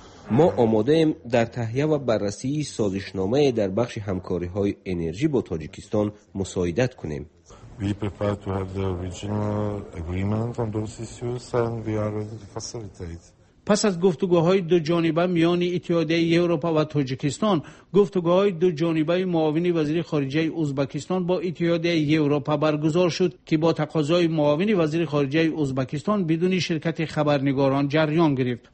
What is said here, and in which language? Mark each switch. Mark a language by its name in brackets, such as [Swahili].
[Persian] ما آماده ایم در تهیه و بررسی سازشنامه در بخش همکاری های انرژی با تاجیکستان مساعدت کنیم. [English] We prepare to have the regional agreement on those issues and we are ready to facilitate. [Persian] پس از گفتگوهای دو جانبه میان اتحادیه اروپا و تاجیکستان، گفتگوهای دو جانبه معاون وزیر خارجه ازبکستان با اتحادیه اروپا برگزار شد که با تقاضای معاون وزیر خارجه ازبکستان بدون شرکت خبرنگاران جریان گرفت.